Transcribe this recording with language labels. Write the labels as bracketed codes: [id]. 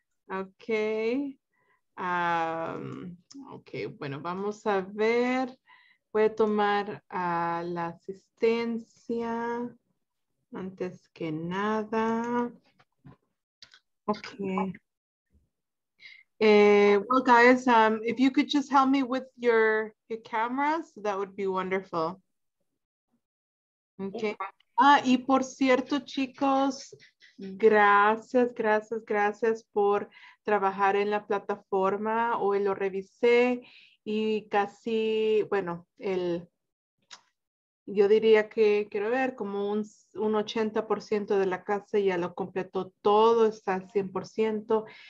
[es] Okay. Okay, bueno, vamos a ver. Voy a tomar a la asistencia antes que nada. Okay. [en] Well, guys, if you could just help me with your cameras, that would be wonderful. Okay. [es] Ah, y por cierto, chicos, gracias, gracias, gracias por trabajar en la plataforma. Hoy lo revisé y casi, bueno, yo diría que, quiero ver, como un 80% de la clase ya lo completó todo, está al 100%.